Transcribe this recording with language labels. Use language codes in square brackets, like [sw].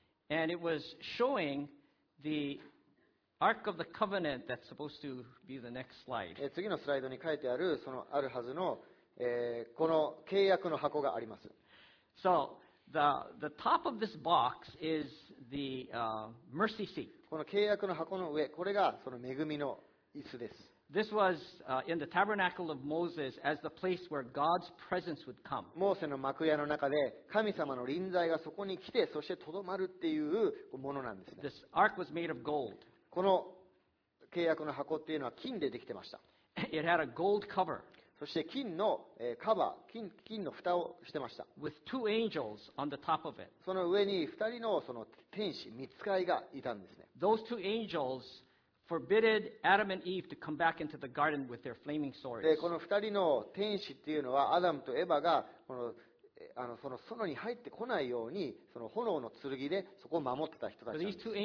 [en] And it was showing the Ark of the Covenant that's supposed to be the next slide. [ja] 次のスライドに書いてあるそのあるはずの、この契約の箱があります。 [en] So,The top of this box is the mercy seat. [ja] この契約の箱の上、これがその恵みの椅子です。 [en] This was in the tabernacle of Moses as the place where God's presence would come. [ja] モーセの幕屋の中で神様の臨在がそこに来て、そしてとどまるっていうものなんですね。 [en] This ark was made of gold. [ja] この契約の箱っていうのは金でできてました。 [en] It had a gold cover. [ja] そして金のカバー、金の蓋をしてました。 [en] With two angels on the top of it. [ja] その上に2人 の, その天使、御使いがいたんですね。 [en] Those two angels forbidden Adam and Eve to come back into the garden with their flaming swords. [ja] で、この2人の天使っていうのは、アダムとエヴァがこのその園に入ってこないように、その炎の剣でそこを守ってた人たちなんです。